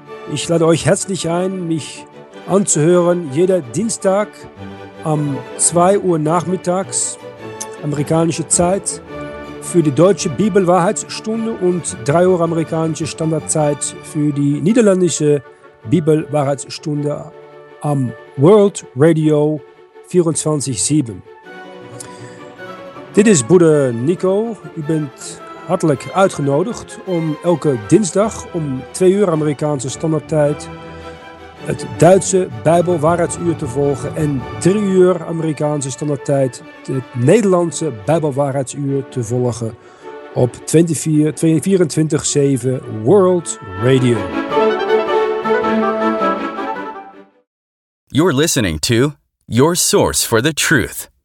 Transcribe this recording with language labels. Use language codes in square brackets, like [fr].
[de] Ich lade euch herzlich ein, mich anzuhören jeder Dienstag um 2 Uhr nachmittags, amerikanische Zeit, für die deutsche Bibelwahrheitsstunde und 3 Uhr amerikanische Standardzeit für die niederländische Bibelwahrheitsstunde am World Radio 24/7. [nl] Dit is Broeder Nico. U bent hartelijk uitgenodigd om elke dinsdag om 2 uur Amerikaanse standaardtijd het Duitse Bijbelwaarheidsuur te volgen en 3 uur Amerikaanse standaardtijd het Nederlandse Bijbelwaarheidsuur te volgen op 24/7 World Radio. [en] You're listening to your source for the truth.